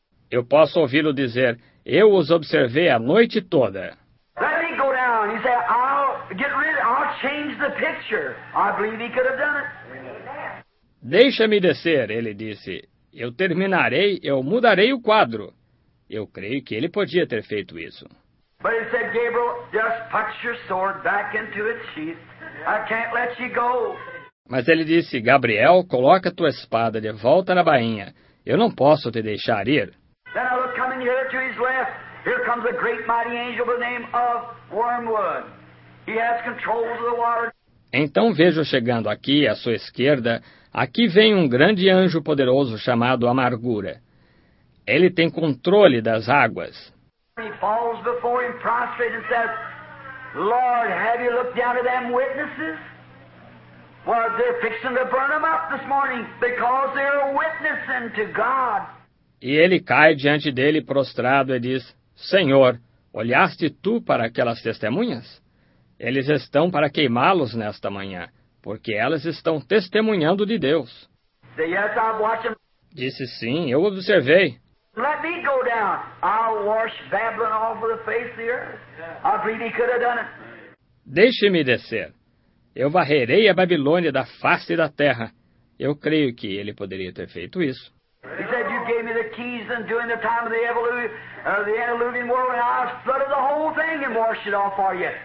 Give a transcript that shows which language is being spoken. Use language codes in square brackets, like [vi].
[pt] Eu posso ouvi-lo dizer, eu os observei a noite toda. [en] Let me go down. He said, I'll get rid of it. I'll change the picture. I believe he could have done it. [pt] Deixa-me descer, ele disse. Eu terminarei, eu mudarei o quadro. Eu creio que ele podia ter feito isso. [en] But he said, Gabriel, just put your sword back into its sheath. I can't let you go. [pt] Mas ele disse, Gabriel, coloca tua espada de volta na bainha. Eu não posso te deixar ir. [en] Then I look coming here to his left. Here comes a great mighty angel by the name of Wormwood. He has control of the water. [pt] Então vejo chegando aqui, à sua esquerda, aqui vem um grande anjo poderoso chamado Amargura. Ele tem controle das águas. [en] He falls before him prostrate and says, Lord, have you looked down at them witnesses? Well, they're fixing to burn them up this morning because they're witnessing to God. [pt] E ele cai diante dele prostrado e diz, Senhor, olhaste tu para aquelas testemunhas? Eles estão para queimá-los nesta manhã, porque elas estão testemunhando de Deus. [en] Yes, [pt] disse, sim, eu observei. [en] Let me go down. I'll wash Babylon off of the face of the earth. I believe he could have done it. [pt] Deixe-me descer. Eu varrerei a Babilônia da face da terra. Eu creio que ele poderia ter feito isso. [en] He said you gave me the keys and during the time of the antediluvian world and I flooded the whole thing and washed it off for you.